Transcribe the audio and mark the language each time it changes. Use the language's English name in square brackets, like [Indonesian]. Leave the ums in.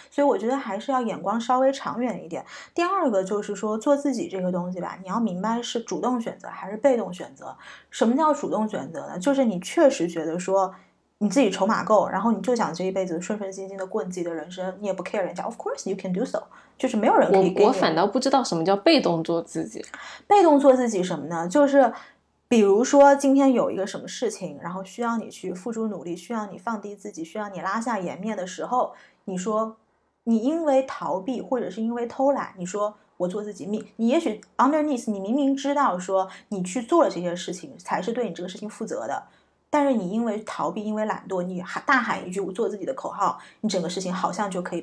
[Chinese] 所以我觉得还是要眼光稍微长远一点。第二个就是说做自己这个东西吧，你要明白是主动选择还是被动选择。什么叫主动选择呢？就是你确实觉得说你自己筹码够，然后你就想这一辈子顺顺心心的过自己的人生，你也不 care 人家。 [English] Of course you can do so， [Chinese] 就是没有人可以给你。可我我反倒不知道什么叫被动做自己。被动做自己什么呢？就是。比如说今天有一个什么事情，然后需要你去付出努力，需要你放低自己，需要你拉下颜面的时候，你说你因为逃避或者是因为偷懒，你说我做自己，命，你也许 underneath 你明明知道说你去做了这些事情才是对你这个事情负责的，但是你因为逃避，因为懒惰，你喊大喊一句我做自己的口号，你整个事情好像就可以